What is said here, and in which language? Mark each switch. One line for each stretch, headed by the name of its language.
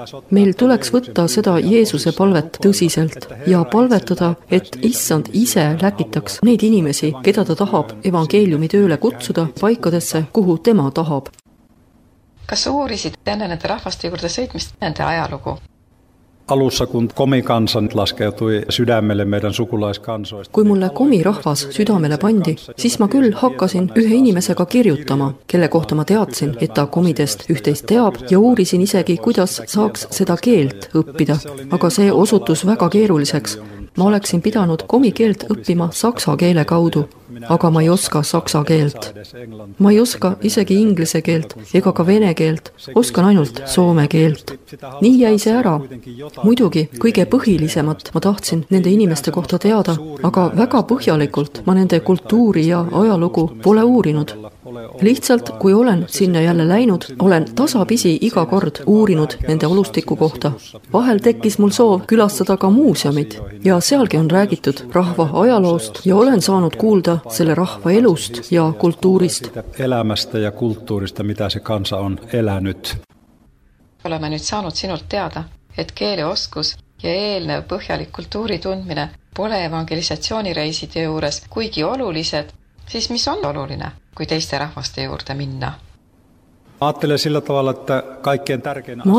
Estonian: Meil tuleks võtta seda Jeesuse palvet tõsiselt ja palvetada, et issand ise läkitaks neid inimesi, keda ta tahab evangeeliumi tööle kutsuda paikadesse, kuhu tema tahab. Kas uurisid enne nende rahvaste juurde sõitmist nende ajalugu?
Finnish: alussa, kun komikansa laskeutui sydämelle meidän sukulaiskansoista.
Estonian: Kui mulle komirahvas südamele pandi, siis ma küll hakkasin ühe inimesega kirjutama, kelle kohta ma teadsin, et ta komidest ühteist teab ja uurisin isegi, kuidas saaks seda keelt õppida. Aga see osutus väga keeruliseks. Ma oleksin pidanud komikeelt õppima saksa keele kaudu, aga ma ei oska saksa keelt. Ma ei oska isegi inglise keelt ega ka vene keelt, oskan ainult soome keelt. Nii jäi see ära. Muidugi kõige põhilisemat ma tahtsin nende inimeste kohta teada, aga väga põhjalikult ma nende kultuuri ja ajalugu pole uurinud. Lihtsalt, kui olen sinna jälle läinud, olen tasapisi iga kord uurinud nende olustiku kohta. Vahel tekkis mul soov külastada ka muuseumid ja sealgi on räägitud rahva ajaloost ja olen saanud kuulda selle rahva elust ja kultuurist.
Finnish: Elämästä ja kultuurista, mitä se kansa on elänyt.
Estonian: Oleme nüüd saanud sinult teada, et keeleoskus ja eelnev põhjalik kultuuritundmine pole evangelisatsioonireiside juures kuigi olulised, siis mis on oluline? Kui teiste rahvaste juurde minna. Ma